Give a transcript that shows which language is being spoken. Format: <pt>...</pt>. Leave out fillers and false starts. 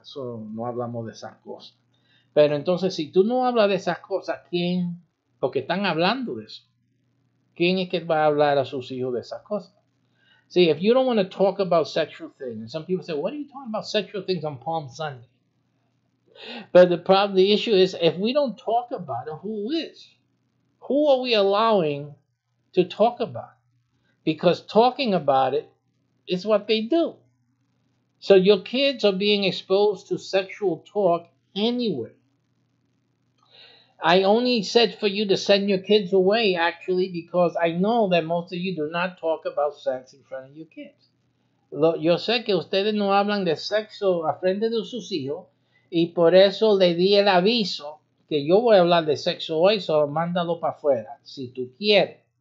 <es>Eso, no hablamos de esas cosas. Pero entonces, si tú no hablas de esas cosas, ¿quién? Porque están hablando de eso. ¿Quién es que va a hablar a sus hijos de esas cosas?</es> <en>See, if you don't want to talk about sexual things, and some people say, what are you talking about sexual things on Palm Sunday? But the problem, the issue is, if we don't talk about it, who is? Who are we allowing to talk about? Because talking about it is what they do. So your kids are being exposed to sexual talk anyway. I only said for you to send your kids away, actually, because I know that most of you do not talk about sex in front of your kids.</en> <es>Yo sé que ustedes no hablan de sexo a frente de sus hijos, y por eso le di el aviso que yo voy a hablar de sexo hoy, so mándalo para afuera, si tú quieres.</es>